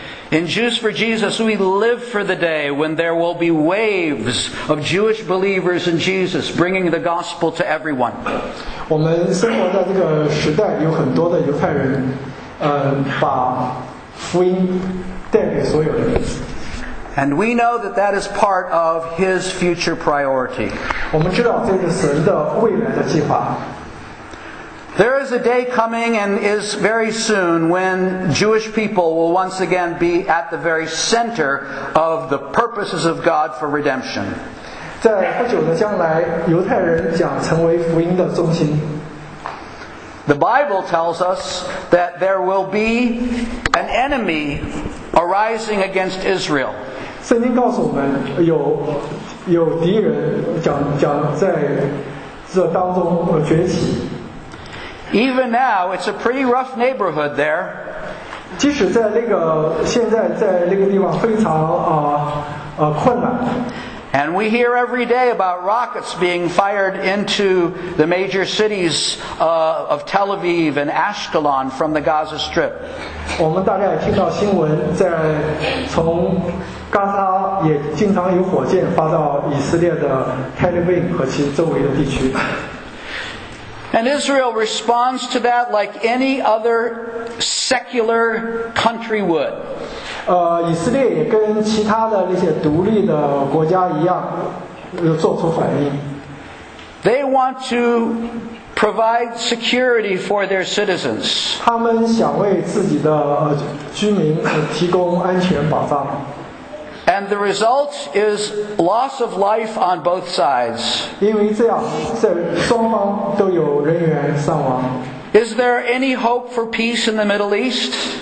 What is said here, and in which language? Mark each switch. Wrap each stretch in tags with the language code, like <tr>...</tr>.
<en>In Jews for Jesus, we live for the day when there will be waves of Jewish believers in Jesus bringing the gospel to everyone.</en> <zh>我们生活在这个时代，有很多的犹太人，把福音带给所有人。</zh> <en>And we know that that is part of His future priority.</en> <zh>我们知道这是神的未来的计划。</zh> <en>There is a day coming and is very soon when Jewish people will once again be at the very center of the purposes of God for redemption.</en> <zh>在不久的将来，犹太人将成为福音的中心。</zh> <en>The Bible tells us that there will be an enemy arising against Israel.</en> <zh>圣经告诉我们有敌人将在这当中崛起。</zh> <en>Even now, it's a pretty rough neighborhood there.</en> <zh>即使在那个现在在那个地方非常困难。</zh> <en>And we hear every day about rockets being fired into the major cities of Tel Aviv and Ashkelon from the Gaza Strip.</en> <zh>我们大家也听到新闻，在从加沙也经常有火箭发到以色列的 Tel Aviv 和其周围的地区。</zh> <en>And Israel responds to that like any other secular country would.</en> <zh>以色列也跟其他的那些独立的国家一样，做出反应。</zh> <en>They want to provide security for their citizens.</en> <zh>他们想为自己的居民提供安全保障。</zh> <en>And the result is loss of life on both sides.</en> <zh>因为这样，在双方都有人员伤亡。</zh> <en>Is there any hope for peace in the Middle East?</en>